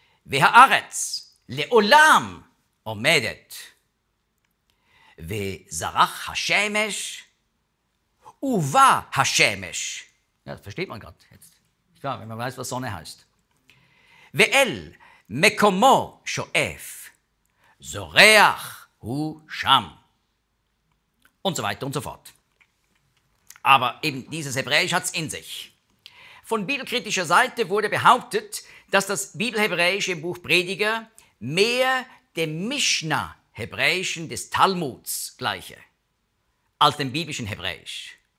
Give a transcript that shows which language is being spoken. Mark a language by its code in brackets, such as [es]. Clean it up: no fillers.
[he] והארץ לעולם עומדת, וזרח השמש, ובא השמש. [de] Ja, das versteht man gerade jetzt. Klar, wenn man weiß, was Sonne heißt. [he] ואל מקומו שואף, זורח הוא שם. [de] Und so weiter und so fort. Aber eben dieses Hebräisch hat es in sich. Von bibelkritischer Seite wurde behauptet, dass das bibelhebräische Buch Prediger mehr dem Mishnah-Hebräischen des Talmuds gleiche als dem biblischen Hebräisch.